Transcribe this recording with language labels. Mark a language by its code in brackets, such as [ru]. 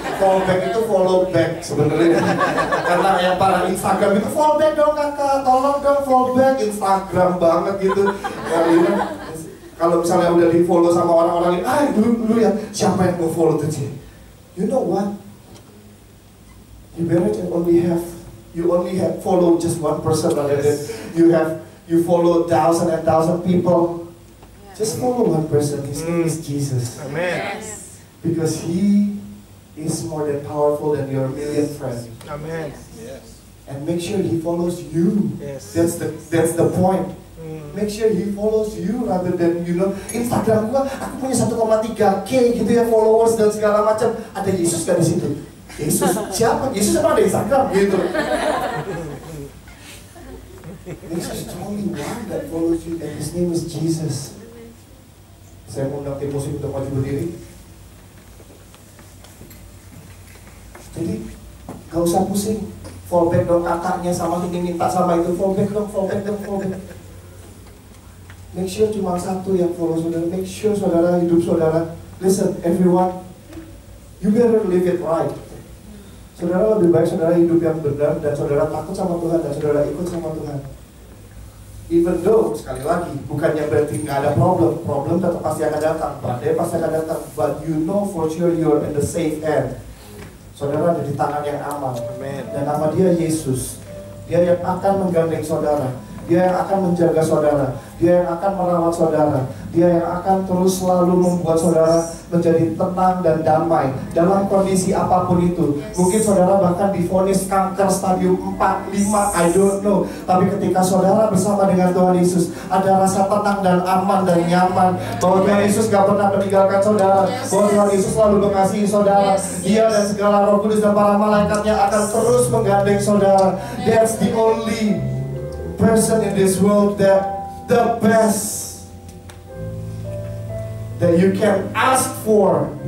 [id] Fall back itu follow back sebenarnya. Karena yang para Instagram itu fall back dong kakak. Tolong dong fall back Instagram banget gitu. Karena kalau misalnya udah di follow sama orang-orang ini, ah dulu ya siapa yang mau follow tuh sih? [en] You know what? You better only have follow just one person rather than you follow thousand and thousand people. Yeah. Just follow one person, his name is Jesus. Amen. Yes. Because he is more than powerful than your million friends. Amen. Yes. And make sure he follows you. Yes. That's the point. Make sure he follows you rather than you know [id] Instagram gua, aku punya 1.3k gitu ya followers dan segala macam. Ada Yesus gak di situ? Yesus siapa? Yesus siapa ada Instagram gitu. [en] Yesus only one that follows you and his name is Jesus. [id] Saya mau undang timosi untuk maju berdiri. Jadi gak usah pusing. Fall back dong kakaknya sama ini minta sama itu. Fall back dong. [en] Make sure [id] cuma satu yang follow saudara. [en] Make sure [id] saudara hidup saudara. [en] Listen everyone, you better live it right. [id] Saudara lebih baik saudara hidup yang benar dan saudara takut sama Tuhan dan saudara ikut sama Tuhan. [en] Even though [id] sekali lagi bukannya berarti nggak ada problem, problem tetap pasti akan datang, badai pasti akan datang. [en] But you know for sure you're in the safe hand. [id] Saudara ada di tangan yang aman. Amen. Dan nama dia Yesus. Dia yang akan menggandeng saudara. Dia yang akan menjaga saudara. Dia yang akan merawat saudara. Dia yang akan terus selalu membuat saudara menjadi tenang dan damai dalam kondisi apapun itu. Mungkin saudara bahkan divonis kanker stadium 4, 5, [en] I don't know. [id] Tapi ketika saudara bersama dengan Tuhan Yesus, ada rasa tenang dan aman dan nyaman. Bahwa Tuhan Yesus gak pernah meninggalkan saudara. Bahwa Tuhan Yesus selalu mengasihi saudara. Dia dan segala Roh Kudus dan para malaikatnya akan terus menggandeng saudara. [en] That's the only person in this world that the best that you can ask for.